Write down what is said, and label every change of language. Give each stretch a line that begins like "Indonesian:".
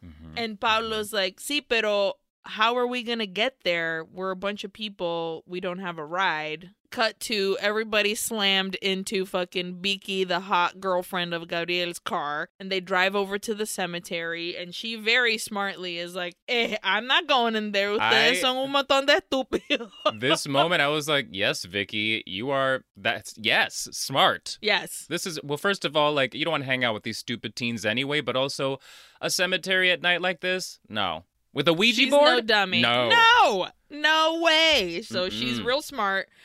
English: Mm-hmm. And Pablo's like,
Spanish: sí, pero
English: how are we going to get there? We're a bunch of people. We don't have a ride. Cut to everybody slammed into fucking Biki, the hot girlfriend of Gabriel's car. And they drive over to the cementerio. And she very smartly is like, eh, I'm not going in there.
Spanish: Ustedes son un montón de estúpidos.
English: This moment, I was like, yes, Vicky, you are. That's yes. Smart. Yes. This is, well, first of all, like, you don't want to hang out with these stupid teens anyway. But also a cementerio at night like this? No. With a Ouija she's board? She's no dummy. No. No. No way. So mm-mm. She's real smart.